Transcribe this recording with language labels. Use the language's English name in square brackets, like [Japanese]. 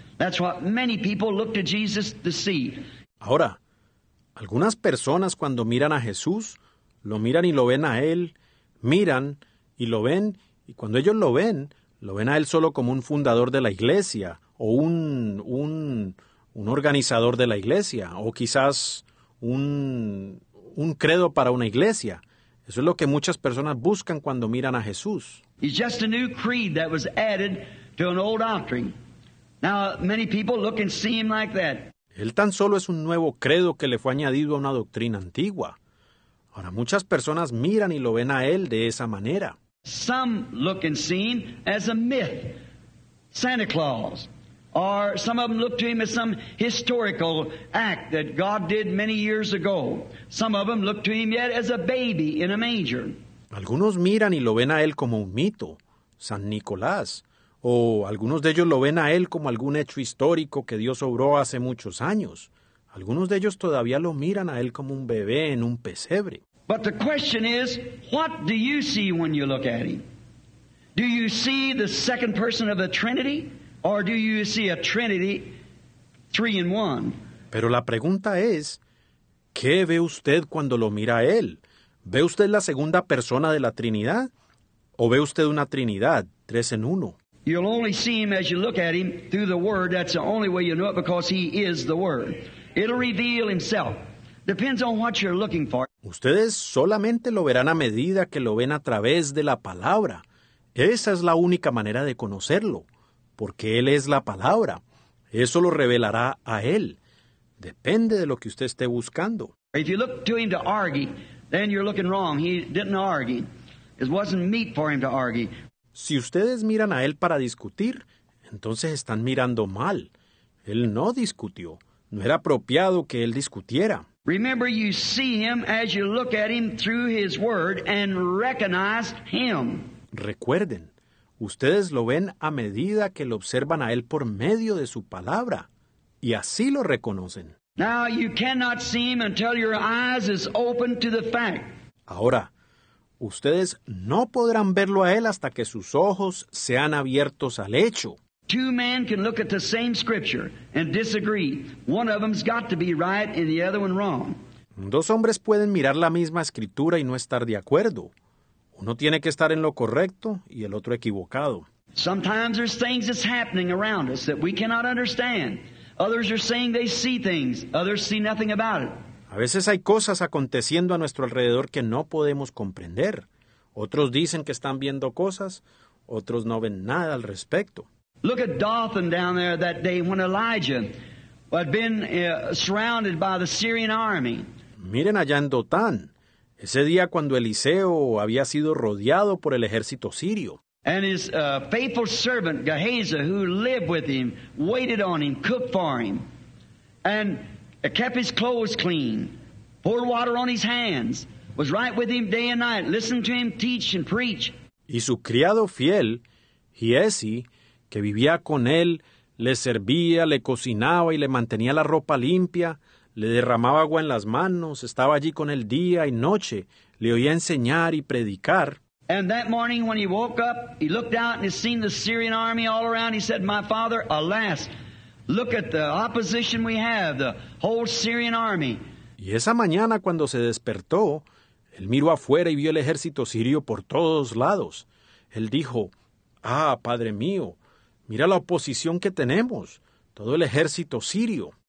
[English] That's what many people look to Jesus to see. [Spanish] Ahora, algunas personas cuando miran a Jesús, lo miran y lo ven a él, miran y lo ven Y cuando ellos lo ven a él solo como un fundador de la iglesia, o un organizador de la iglesia, o quizás un credo para una iglesia. Eso es lo que muchas personas buscan cuando miran a Jesús. [English] It's just a new creed that was added to an old doctrine. Now, many people look and see him like that. [Spanish] Él tan solo es un nuevo credo que le fue añadido a una doctrina antigua. Ahora, muchas personas miran y lo ven a él de esa manera. [English] Some look and see him as a myth, Santa Claus. Or some of them look to him as some historical act that God did many years ago. Some of them look to him yet as a baby in a manger. [Spanish] Algunos miran y lo ven a él como un mito, San Nicolás. O algunos de ellos lo ven a él como algún hecho histórico que Dios obró hace muchos años. Algunos de ellos todavía lo miran a él como un bebé en un pesebre. [English] But the question is, what do you see when you look at him? Do you see the second person of the Trinity? Or do you see a Trinity, three in one? [Spanish] Pero la pregunta es, ¿qué ve usted cuando lo mira a él? ¿Ve usted la segunda persona de la Trinidad? ¿O ve usted una Trinidad, tres en uno? [English] You'll only see him as you look at him through the Word. That's the only way you know it, because he is the Word. It'll reveal himself. Depends on what you're looking for. [Spanish] Ustedes solamente lo verán a medida que lo ven a través de la palabra. Esa es la única manera de conocerlo, porque Él es la palabra. Eso lo revelará a Él. Depende de lo que usted esté buscando. [English] If you look to him to argue, then you're looking wrong. He didn't argue. It wasn't meat for him to argue. [Spanish] Si ustedes miran a Él para discutir, entonces están mirando mal. Él no discutió. No era apropiado que Él discutiera. [English] Remember, you see him as you look at him through his word and recognize him. [Spanish] Recuerden, ustedes lo ven a medida que lo observan a él por medio de su palabra, y así lo reconocen. [English] Now you cannot see him until your eyes is open to the fact. [Spanish] Ahora, ustedes no podrán verlo a él hasta que sus ojos sean abiertos al hecho. [English] Two men can look at the same scripture and disagree. One of them's got to be right and the other one wrong. [Spanish] Dos hombres pueden mirar la misma escritura y no estar de acuerdo. Uno tiene que estar en lo correcto y el otro equivocado. [English] Sometimes there's things that's happening around us that we cannot understand. Others are saying they see things. Others see nothing about it. [Spanish] A veces hay cosas aconteciendo a nuestro alrededor que no podemos comprender. Otros dicen que están viendo cosas. Otros no ven nada al respecto. [English] Look at Dothan down there that day when Elijah had been surrounded by the Syrian army. [Spanish] Miren allá en Dotán, ese día cuando Eliseo había sido rodeado por el ejército sirio. [English] And his faithful servant Gehazi, who lived with him, waited on him, cooked for him, and kept his clothes clean, poured water on his hands, was right with him day and night, listened to him teach and preach. [Spanish] Y su criado fiel, Giesi, que vivía con él, le servía, le cocinaba y le mantenía la ropa limpia, le derramaba agua en las manos, estaba allí con él día y noche, le oía enseñar y predicar. [English] And that morning when he woke up, he looked out and he seen the Syrian army all around. He said, "My father, alas, look at the opposition we have, the whole Syrian army." [Spanish] Y esa mañana cuando se despertó, él miró afuera y vio el ejército sirio por todos lados. Él dijo, "Ah, padre mío, mira la oposición que tenemos, todo el ejército sirio."